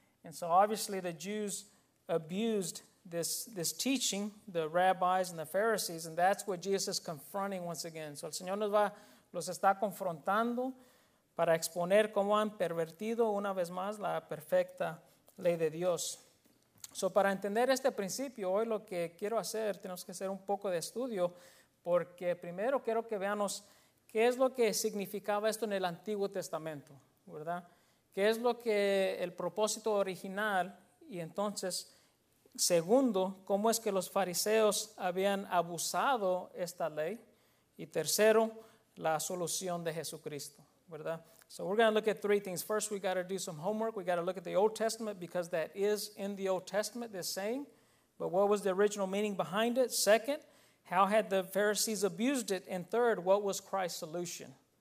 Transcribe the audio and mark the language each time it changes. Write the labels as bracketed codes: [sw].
[en] And so obviously the Jews abused this teaching, the rabbis and the Pharisees, and that's what Jesus is confronting once again. [es] So el Señor los está confrontando para exponer cómo han pervertido una vez más la perfecta ley de Dios. So para entender este principio, hoy lo que quiero hacer, tenemos que hacer un poco de estudio, porque primero quiero que veamos qué es lo que significaba esto en el Antiguo Testamento, ¿verdad? ¿Qué es lo que el propósito original? Y entonces, segundo, ¿cómo es que los fariseos habían abusado esta ley? Y tercero, la solución de Jesucristo, ¿verdad? [en] So we're going to look at three things. First, we got to do some homework. We got to look at the Old Testament because that is in the Old Testament, this saying. But what was the original meaning behind it? Second, how had the Pharisees abused it? And third, what was Christ's solution?